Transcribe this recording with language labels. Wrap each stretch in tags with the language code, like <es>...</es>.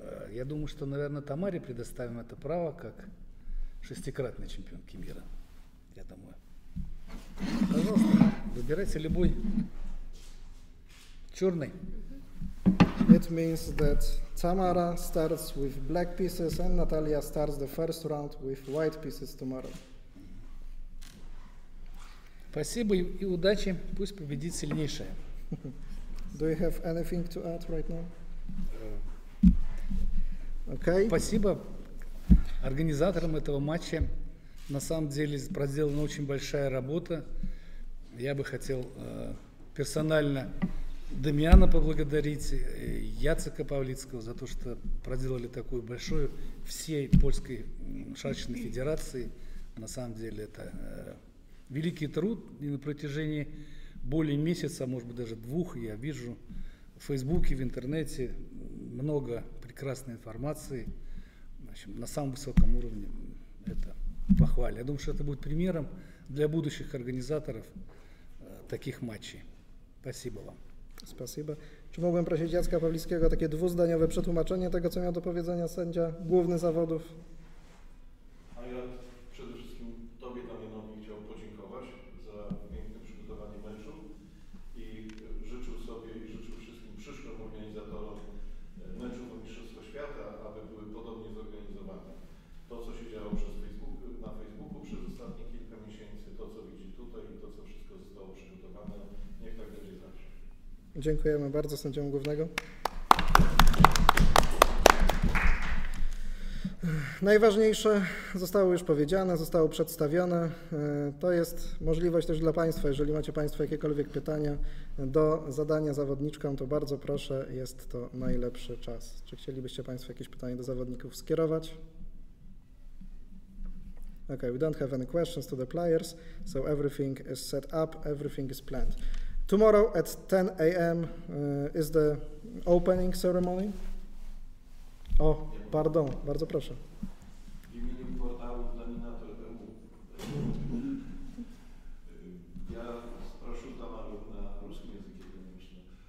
<ru>Я думаю, что, наверное, Тамаре предоставим это право как шестикратной чемпионке мира. Я думаю. Пожалуйста, выбирайте любой. Черный.</ru> <en>It means that Tamara starts with black pieces and Natalia starts the first round with white pieces tomorrow.</en> <ru>Спасибо и удачи, пусть победит сильнейшая.</ru> <en>Do you have anything to add right now? Okay.</en> <ru>Спасибо организаторам этого матча. На самом деле проделана очень большая работа. Я бы хотел персонально Дамиана поблагодарить, Яцека Павлицкого за то, что проделали такую большую всей Польской шашечной федерации. На самом деле это великий труд. И на протяжении более месяца, может быть даже двух, я вижу в Фейсбуке, в интернете много прекрасной информации. В общем, на самом высоком уровне это похвально. Я думаю, что это будет примером для будущих организаторов таких матчей. Спасибо вам. Спасибо.</ru> <pl>Czy mogłem prosić Jacka Pawlickiego o takie dwuzdaniowe przetłumaczenie tego, co miał do powiedzenia sędzia, główny zawodów? A ja przede wszystkim Tobie, Damianowi, chciałbym podziękować za piękne przygotowanie meczu i życzył sobie i życzył wszystkim przyszłym organizatorom meczu o Mistrzostwo Świata, aby były podobnie zorganizowane. To, co się działo przez Facebook, na Facebooku przez ostatnie kilka miesięcy, to, co widzi tutaj i to, co wszystko zostało przygotowane, niech tak będzie zawsze. Dziękujemy bardzo sędziemu głównego. Najważniejsze zostało już powiedziane, zostało przedstawione. To jest możliwość też dla Państwa, jeżeli macie Państwo jakiekolwiek pytania do zadania zawodniczkom, to bardzo proszę, jest to najlepszy czas. Czy chcielibyście Państwo jakieś pytanie do zawodników skierować?</pl> <en>Okay, we don't have any questions to the players, so everything is set up, everything is planned. Tomorrow at 10 a.m. Is the opening ceremony.</en> <pl>O, pardon, bardzo proszę. W imieniu portalu Dominator.eu ja proszę Tamarę na ruskim języku, myślę.</pl>